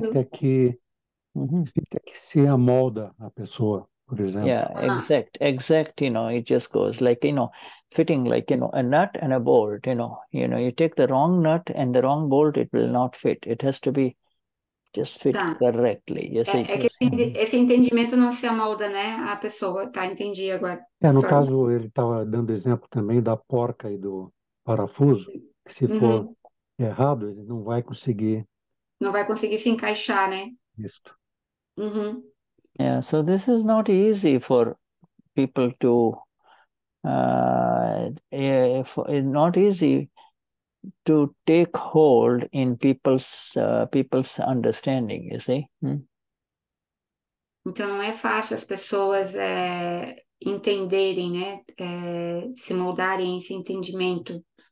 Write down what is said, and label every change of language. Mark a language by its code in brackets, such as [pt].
[pt] Fit é que se amolda a pessoa. [en] For example. Yeah, exact, you know, it just goes like, you know, fitting like, you know, a nut and a bolt, you know, you take the wrong nut and the wrong bolt, it will not fit. It has to be just fit correctly. You see, [pt] esse entendimento não se amolda, né, a pessoa, tá, entendi agora. É, no caso, ele tava dando exemplo também da porca e do parafuso, que se for errado, ele não vai conseguir... Não vai conseguir se encaixar, né? Isso. [en] Yeah, so this is not easy for people to, not easy to take hold in people's understanding, you see. [pt] Então não é fácil as pessoas entenderem, né, se moldarem esse entendimento.